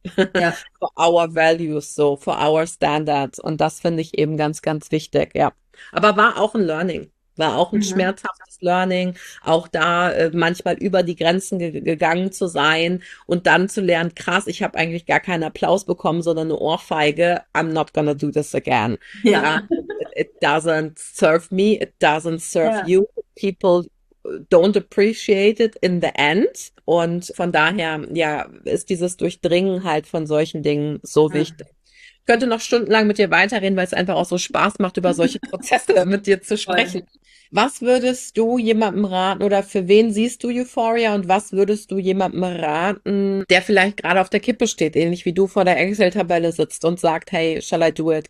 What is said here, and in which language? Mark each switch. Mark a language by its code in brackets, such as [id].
[en] For our values, so for our standards, [de] und das finde ich eben ganz, ganz wichtig, ja. Aber war auch ein Learning, war auch ein schmerzhaftes Learning, auch da manchmal über die Grenzen gegangen zu sein und dann zu lernen, krass, ich habe eigentlich gar keinen Applaus bekommen, sondern eine Ohrfeige, [en] I'm not gonna do this again. Ja, it doesn't serve me, it doesn't serve you, people don't appreciate it in the end. [de] Und von daher, ja, ist dieses Durchdringen halt von solchen Dingen so wichtig. Ich könnte noch stundenlang mit dir weiterreden, weil es einfach auch so Spaß macht, über solche Prozesse mit dir zu sprechen. Was würdest du jemandem raten, oder für wen siehst du Euphoria, und was würdest du jemandem raten, der vielleicht gerade auf der Kippe steht, ähnlich wie du vor der Excel-Tabelle sitzt und sagt, hey, [en] shall I do it?